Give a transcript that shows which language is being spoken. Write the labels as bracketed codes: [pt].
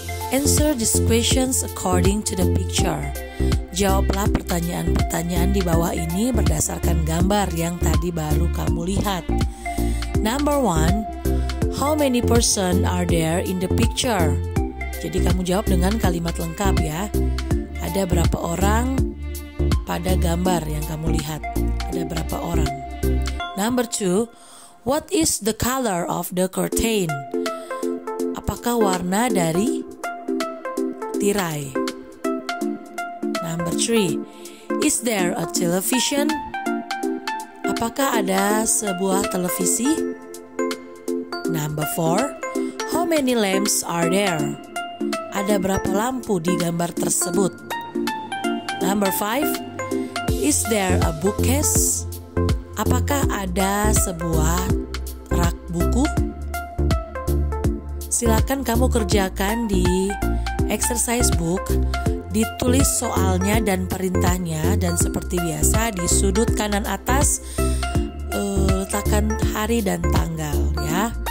[en] Answer these questions according to the picture. [id] Jawablah pertanyaan-pertanyaan di bawah ini berdasarkan gambar yang tadi baru kamu lihat. [en] Number one, how many person are there in the picture? [id] Jadi kamu jawab dengan kalimat lengkap ya. Ada berapa orang pada gambar yang kamu lihat? Ada berapa orang? [en] Number two, what is the color of the curtain? [id] Apakah warna dari tirai? [en] Number three, is there a television? [id] Apakah ada sebuah televisi? [en] Number four, how many lamps are there? [id] Ada berapa lampu di gambar tersebut? [en] Number five, is there a bookcase? [id] Apakah ada sebuah rak buku? Silakan kamu kerjakan di exercise book, ditulis soalnya dan perintahnya, dan seperti biasa di sudut kanan atas letakkan hari dan tanggal ya.